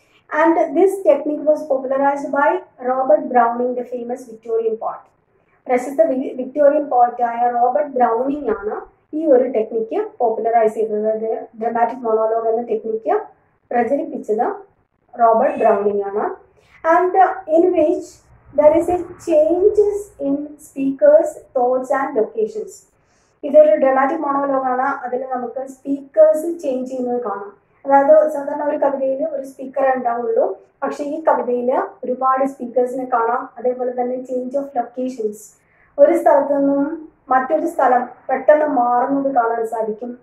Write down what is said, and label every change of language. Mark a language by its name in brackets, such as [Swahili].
[English] And this technique was popularised by Robert Browning, the famous Victorian poet. [Malayalam] പ്രശസ്ത Victorian poet ആയ Robert Browning ആണ് ഈ ഒരു technique popularise ചെയ്തത്, ഡ്രമാറ്റിക് മോണോലോഗ് എന്ന ടെക്നിക്ക് പ്രചരിപ്പിച്ചത് റോബർട്ട് ബ്രൗണിംഗ് ആണ്. [English] And in which There is a changes in speakers' thoughts and locations. [Malayalam] ഇതൊരു ഡ്രമാറ്റിക് മോണോലോഗ് ആണ്. അതിൽ നമുക്ക് സ്പീക്കേഴ്സ് ചേഞ്ച് ചെയ്യുന്നത് കാണാം. അതായത് സാധാരണ ഒരു കവിതയിൽ ഒരു സ്പീക്കർ ഉണ്ടാവുള്ളൂ, പക്ഷേ ഈ കവിതയിൽ ഒരുപാട് സ്പീക്കേഴ്സിനെ കാണാം. അതേപോലെ തന്നെ ചേഞ്ച് ഓഫ് ലൊക്കേഷൻസ്, ഒരു സ്ഥലത്തു നിന്നും മറ്റൊരു സ്ഥലം പെട്ടെന്ന് മാറുന്നത് കാണാൻ സാധിക്കും.